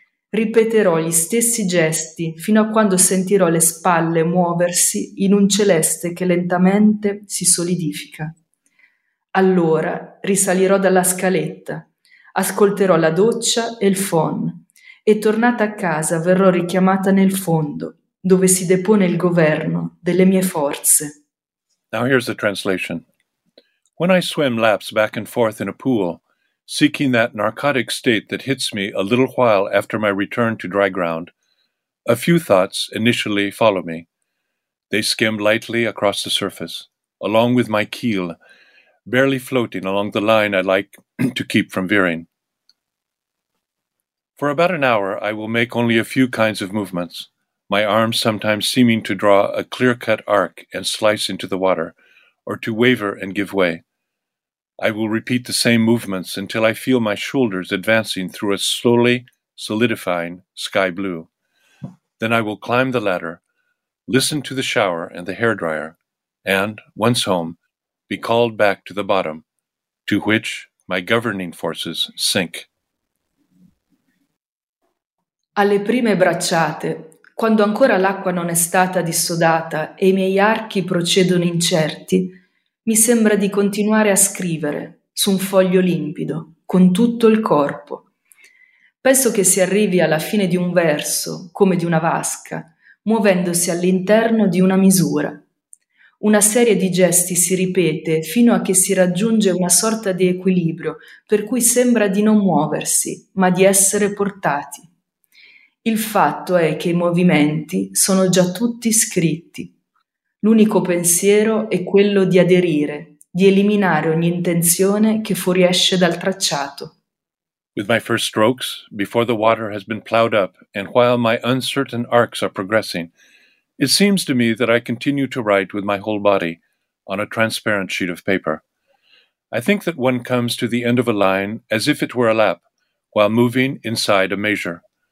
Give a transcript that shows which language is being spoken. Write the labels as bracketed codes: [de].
[it] Ripeterò gli stessi gesti fino a quando sentirò le spalle muoversi in un celeste che lentamente si solidifica. Allora risalirò dalla scaletta, ascolterò la doccia e il phon, e tornata a casa verrò richiamata nel fondo, dove si depone il governo delle mie forze. [en] Now here's the translation. When I swim laps back and forth in a pool, seeking that narcotic state that hits me a little while after my return to dry ground, a few thoughts initially follow me. They skim lightly across the surface, along with my keel, barely floating along the line I like to keep from veering. For about an hour, I will make only a few kinds of movements. my arms sometimes seeming to draw a clear-cut arc and slice into the water, or to waver and give way. I will repeat the same movements until I feel my shoulders advancing through a slowly solidifying sky blue. Then I will climb the ladder, listen to the shower and the hairdryer, and, once home, be called back to the bottom, to which my governing forces sink. [it] Alle prime bracciate, quando ancora l'acqua non è stata dissodata e i miei archi procedono incerti, mi sembra di continuare a scrivere su un foglio limpido, con tutto il corpo. Penso che si arrivi alla fine di un verso, come di una vasca, muovendosi all'interno di una misura. Una serie di gesti si ripete fino a che si raggiunge una sorta di equilibrio per cui sembra di non muoversi, ma di essere portati. Il fatto è che i movimenti sono già tutti scritti. L'unico pensiero è quello di aderire, di eliminare ogni intenzione che fuoriesce dal tracciato. [en] With my first strokes, before the water has been plowed up, and while my uncertain arcs are progressing, it seems to me that I continue to write with my whole body on a transparent sheet of paper. I think that one comes to the end of a line as if it were a lap, while moving inside a measure.